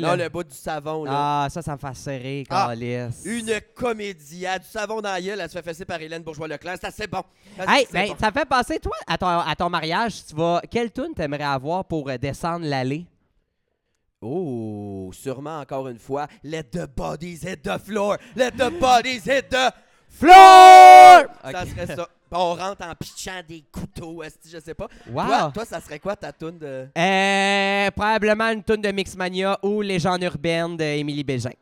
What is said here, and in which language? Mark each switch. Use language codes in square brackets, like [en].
[fr] Non, le bout du savon, là. Ah, ça me fait serrer, calice. Ah, une comédie. Ah, du savon dans la gueule, elle se fait fesser par Hélène Bourgeois-Leclerc. C'est assez bon. Ça fait passer, toi, à ton mariage, tu vas. Quelle toune t'aimerais avoir pour descendre l'allée? Oh, sûrement encore une fois. [en] Let the bodies hit the floor. Let the bodies hit the floor! [fr] Okay. Ça serait ça. On rentre en pitchant des couteaux, est-ce, je sais pas. Wow. Toi, ça serait quoi ta toune de... Probablement une toune de Mixmania ou Légende urbaine d'Émilie Bégin.